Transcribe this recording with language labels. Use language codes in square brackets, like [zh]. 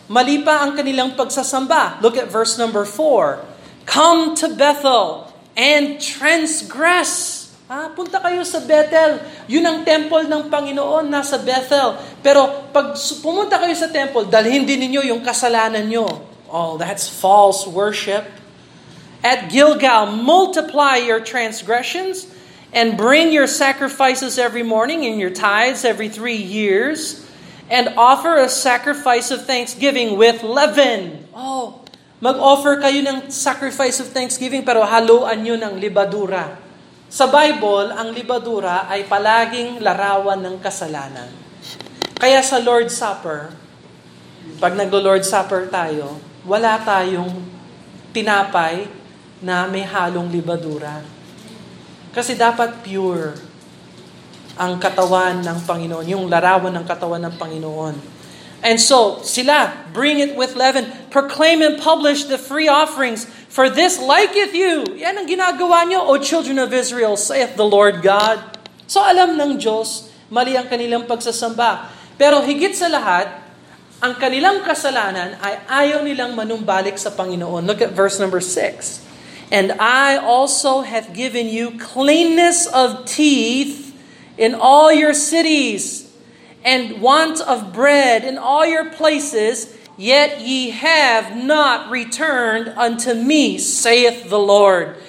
[tl] Mali pa ang kanilang pagsasamba. [en] Look at verse number 4. Come to Bethel and transgress. [tl] Punta kayo sa Bethel. Yun ang temple ng Panginoon, nasa Bethel. Pero pag pumunta kayo sa temple, dalhin din ninyo yung kasalanan nyo. [en] Oh, that's false worship. At Gilgal, multiply your transgressions and bring your sacrifices every morning and your tithes every 3 years. And offer a sacrifice of thanksgiving with leaven. Oh, [tl] mag-offer kayo ng [en] sacrifice of thanksgiving [tl] pero haluan nyo ng libadura. Sa Bible, ang libadura ay palaging larawan ng kasalanan. Kaya sa Lord's Supper, pag naglo-Lord's Supper tayo, wala tayong tinapay na may halong libadura. Kasi dapat pure ang katawan ng Panginoon, yung larawan ng katawan ng Panginoon. [en] And so, sila, bring it with leaven, proclaim and publish the free offerings, for this liketh you. [tl] Yan ang ginagawa nyo, [en] O children of Israel, saith the Lord God. [tl] So alam ng Diyos, mali ang kanilang pagsasamba. Pero higit sa lahat, ang kanilang kasalanan ay ayaw nilang manumbalik sa Panginoon. [en] Look at verse number 6. And I also have given you cleanness of teeth in all your cities, and want of bread in all your places, yet ye have not returned unto me, saith the Lord.